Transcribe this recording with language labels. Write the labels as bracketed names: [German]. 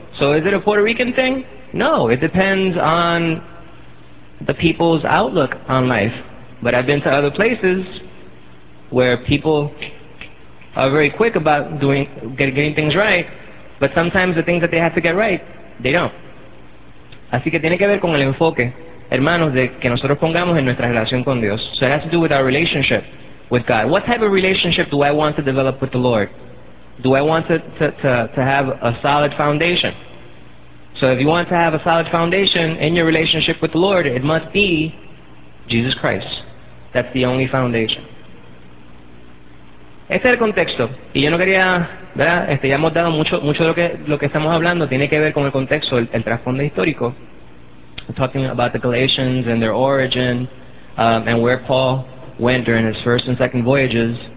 [English] So is it a Puerto Rican thing? No, it depends on the people's outlook on life. But I've been to other places where people are very quick about getting things right, but sometimes the things that they have to get right, they don't. [Spanish] Así que tiene que ver con el enfoque, hermanos, de que nosotros pongamos en nuestra relación con Dios. [English] So it has to do with our relationship with God. What type of relationship do I want to develop with the Lord? Do I want to have a solid foundation? So if you want to have a solid foundation in your relationship with the Lord, it must be Jesus Christ. That's the only foundation. [Spanish] Este es el contexto. Y yo no quería, ¿verdad? Ya hemos dado mucho de lo que estamos hablando tiene que ver con el contexto, el trasfondo histórico. [English] We're talking about the Galatians and their origin, and where Paul went during his first and second voyages.